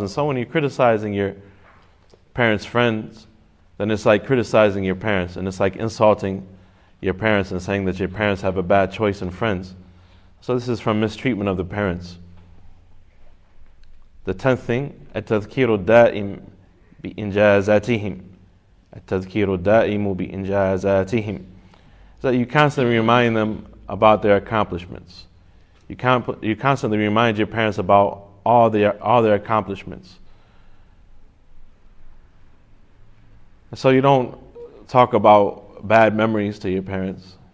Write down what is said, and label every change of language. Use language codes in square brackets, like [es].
[en] And so when you're criticizing your parents' friends, then it's like criticizing your parents, and it's like insulting your parents and saying that your parents have a bad choice in friends. So this is from mistreatment of the parents. The tenth thing, [ar] التذكير الدائم بإنجازاتهم. التذكير الدائم بإنجازاتهم. [en] So that you constantly remind them about their accomplishments. You constantly remind your parents about all their accomplishments. So you don't talk about bad memories to your parents.